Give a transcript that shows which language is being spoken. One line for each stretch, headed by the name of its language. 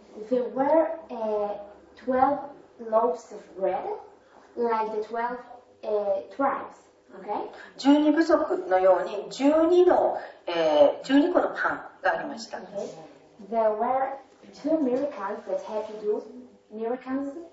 English: There were 12 loaves of bread, like the 12 tribes. Okay.
Japanese: 12部族のように12の、12個のパンがありました。
English: Okay. There were two miracles that had to do miracles.